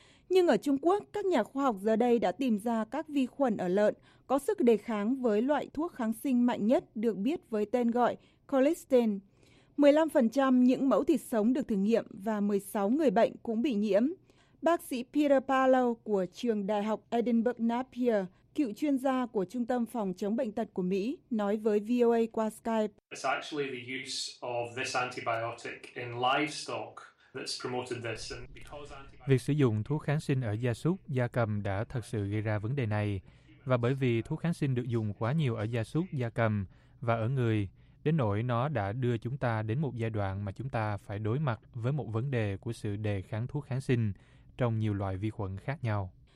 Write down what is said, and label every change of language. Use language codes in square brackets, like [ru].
[vi] Nhưng ở Trung Quốc, các nhà khoa học giờ đây đã tìm ra các vi khuẩn ở lợn có sức đề kháng với loại thuốc kháng sinh mạnh nhất được biết với tên gọi colistin. 15% những mẫu thịt sống được thử nghiệm và 16 người bệnh cũng bị nhiễm. Bác sĩ Peter Palau của Trường Đại học Edinburgh Napier, cựu chuyên gia của Trung tâm Phòng chống bệnh tật của Mỹ, nói với VOA qua Skype. [en] It's actually the use of this antibiotic in livestock that's promoted this. And because [vi] việc sử dụng thuốc kháng sinh ở gia súc, gia cầm đã thật sự gây ra vấn đề này. Và bởi vì thuốc kháng sinh được dùng quá nhiều ở gia súc, gia cầm, và ở người, đến nỗi nó đã đưa chúng ta đến một giai đoạn mà chúng ta phải đối mặt với một vấn đề của sự đề kháng thuốc kháng sinh trong nhiều loại vi khuẩn khác nhau.